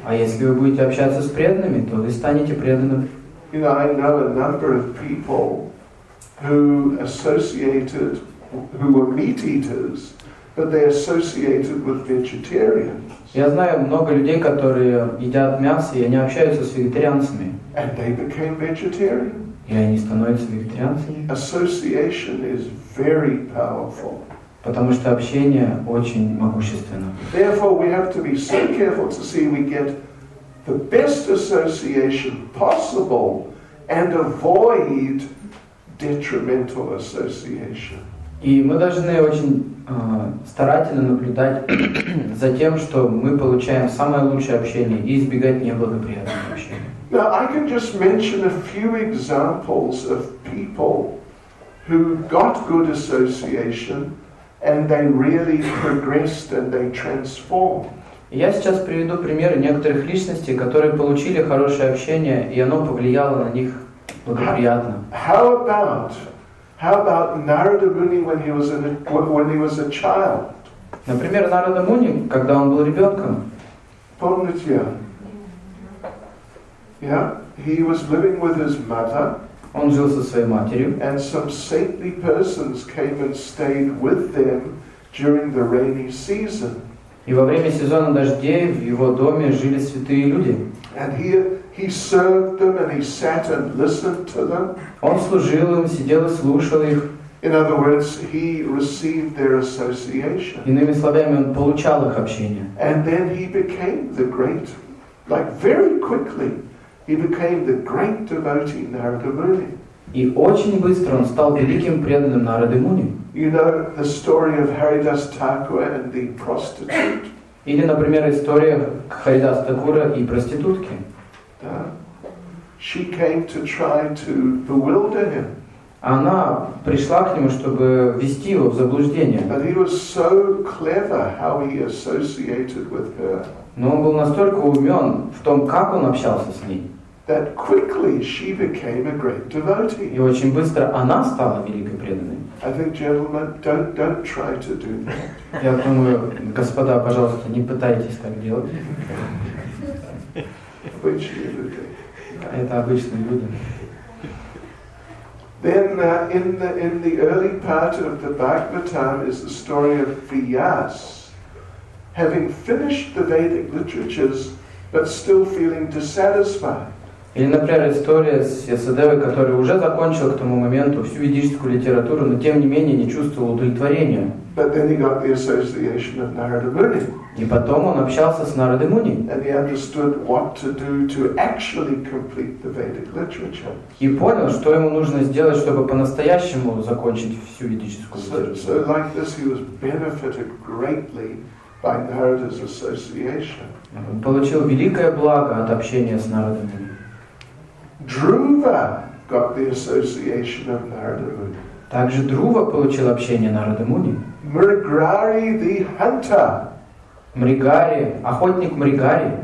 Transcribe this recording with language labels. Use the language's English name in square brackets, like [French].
[Russian] А если вы будете общаться с преданными, то вы станете преданным. [English] You know, I know a number of people who associated, who were meat eaters, but they associated with vegetarians. [Russian] Я знаю много людей, которые едят мясо, и они общаются с вегетарианцами. [English] And they became vegetarian. [Russian] И они становятся вегетарианцами. [English] Association is very powerful. [Russian] Потому что общение очень могущественно. [English] Therefore, we have to be so careful to see we get the best association possible and avoid detrimental association. [Russian] И мы должны очень старательно наблюдать за тем, что мы получаем самое лучшее общение и избегать неблагоприятного общения. [English] Now I can just mention a few examples of people who got good association and they really progressed and they transformed. [Russian] Я сейчас приведу примеры некоторых личностей, которые получили хорошее общение и оно повлияло на них. [English] How about Narada Muni when he was a child? [Russian] Например, Нарада Муни, когда он был ребенком. Помните? [English] Yeah, he was living with his mother. [Russian] Он жил со своей матерью. [English] And some saintly persons came and stayed with them during the rainy season. [Russian] И во время сезона дождей в его доме жили святые люди. [English] And he served them and he sat and listened to them. [Russian] Он служил им, сидел и слушал их. [English] In other words, he received their association. [Russian] Иными словами, он получал их общение. [English] And then he became the great, like very quickly, he became the great devotee Narada Muni. [Russian] И очень быстро он стал великим преданным Нарады Муни. [English] You know the story of Haridas Thakura and the prostitute. [Russian] Или, например, история Харидас Такура и проститутки. [English] Да. She came to try to bewilder him. [Russian] Она пришла к нему, чтобы ввести его в заблуждение. [English] But he was so clever how he associated with her. [Russian] Но он был настолько умен в том, как он общался с ней. [English] That quickly she became a great devotee. [Russian] И очень быстро она стала великой преданной. [English] I think, gentlemen, don't try to do that. [Russian] Я думаю, господа, пожалуйста, не пытайтесь так делать. Обычные люди. Это обычные люди. [English] Then in the early part of the Bhagavatam is the story of Vyas, having finished the Vedic literatures, but still feeling dissatisfied. [Russian] Или, например, история с Ясадевой, который уже закончил к тому моменту всю ведическую литературу, но тем не менее не чувствовал удовлетворения. [English] But then he got the association of Narada Muni. [Russian] И потом он общался с Нарадой Муни. [English] And he understood what to do to actually complete the Vedic literature. [Russian] И понял, что ему нужно сделать, чтобы по-настоящему закончить всю ведическую литературу. [English] So like this he was benefited greatly by Narada's association. [Russian] Он получил великое благо от общения с Нарадой Муни. [English] Dhruva got the association of Narada Muni. [Russian] Также Друва получил общение Нарады Муни. [English] Mrigari the hunter. [Russian] Мригари, охотник Мригари.